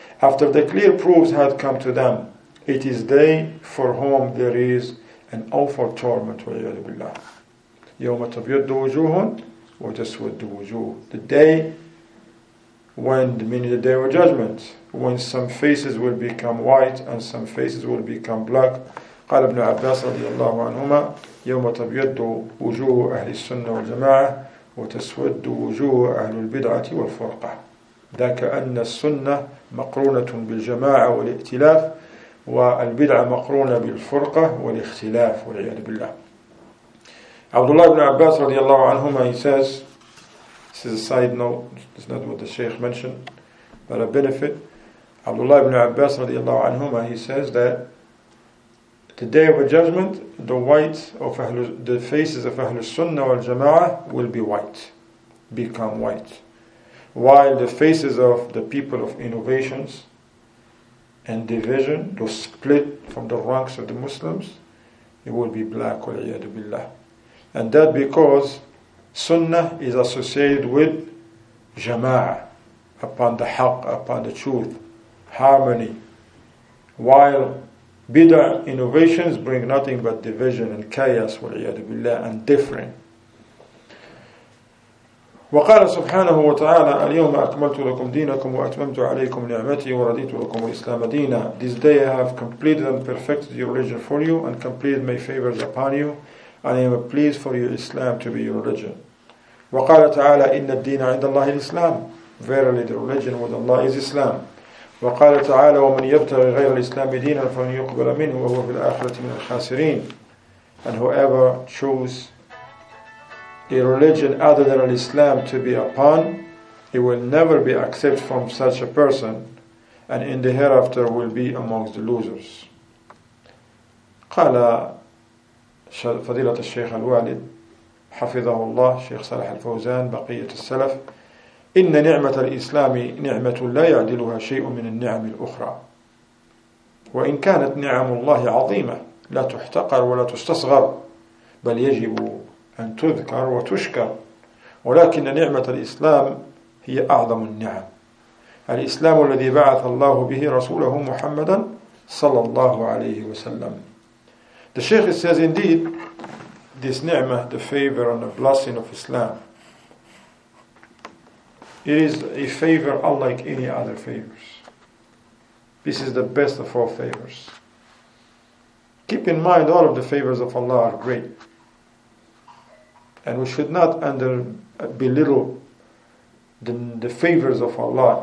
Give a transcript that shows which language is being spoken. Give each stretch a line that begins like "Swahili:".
English: After the clear proofs had come to them, it is they for whom there is an awful torment.
Arabic: يَوْمَ تَبْيَدُّ وَجُوهٌ وَتَسْوَدُّ وَجُوهٌ.
English: The day when, meaning the day of judgment, when some faces will become white and some faces will become black.
Arabic: قال ابن عباس رضي الله عنهما: يوم تبيض وجوه أهل السنة والجماعة وتسود وجوه أهل البدعة والفرقة. ذاك أن السنة مقرونة بالجماعة والائتلاف والبدعة مقرونة بالفرقة والاختلاف والعياذ بالله.
English: عبد الله بن عباس رضي الله عنهما, he says, this is a side note, this is not what the Shaykh mentioned, but a benefit. Abdullah ibn Abbas radiallahu anhuma, he says that the day of judgment, the whites of the faces of Ahlul Sunnah wal Jama'ah will be white, become white, while the faces of the people of innovations and division, those split from the ranks of the Muslims, it will be black, wal-iyadu billah. And that because Sunnah is associated with Jama'ah, upon the haqq, upon the truth, harmony, while bid'ah innovations bring nothing but division and chaos, wal-iyadu billah, and differing.
Arabic: وقال سبحانه وتعالى اليوم أكملت لكم دينكم وأتممت عليكم نعمتي ورضيت لكم الإسلام دينا.
English: This day I have completed and perfected your religion for you and completed my favors upon you, and I am pleased for your Islam to be your religion.
Arabic: وقال تعالى إن الدين عند الله الإسلام.
English: Verily the religion with Allah is Islam.
Arabic: وقال تعالى ومن يبتغي غير الإسلام دينا فلن يقبل منه وهو في الآخرة من الخاسرين.
English: And whoever chose a religion other than Islam to be upon, it will never be accepted from such a person, and in the hereafter will be amongst the losers.
Arabic: قال فضيلة الشيخ الوالد حفظه الله شيخ صالح الفوزان بقية السلف إن نعمة الإسلام نعمة لا يعدلها شيء من النعم الأخرى, وإن كانت نعم الله عظيمة لا تحتقر ولا تستصغر, بل يجب أن تذكر وتشكر, ولكن نعمة الإسلام هي أعظم النعم, الإسلام الذي بعث الله به رسوله محمدا صلى الله عليه وسلم.
English: The Shaykh says indeed this ni'mah, the favor and the blessing of Islam, it is a favor unlike any other favors. This is the best of all favors. Keep in mind all of the favors of Allah are great, and we should not belittle the favors of Allah.